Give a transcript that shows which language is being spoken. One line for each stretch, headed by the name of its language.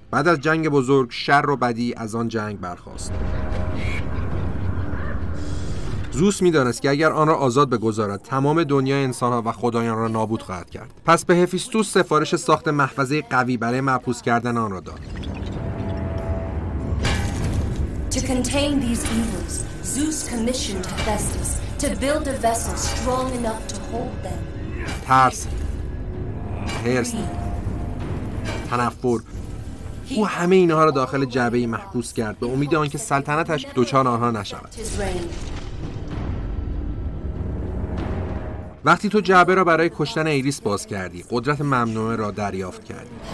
Persian: بعد از جنگ بزرگ شر و بدی از آن جنگ برخاست. زوس می‌دانست که اگر آن را آزاد بگذارد تمام دنیا انسان‌ها و خدایان را نابود خواهد کرد. پس به هفیستوس سفارش ساخت محفظه قوی برای محبوس کردن آن را داد.
English: To contain these evils, Zeus commissioned Hephaestus to build a vessel strong enough to hold them.
Persian: ترس، هرس، تنفر، او همه اینها را داخل جعبه‌ای محبوس کرد به امید آنکه سلطنتش دوچار آنها نشود. وقتی تو جعبه را برای کشتن ایریس باز کردی قدرت ممنوعه را دریافت کردی.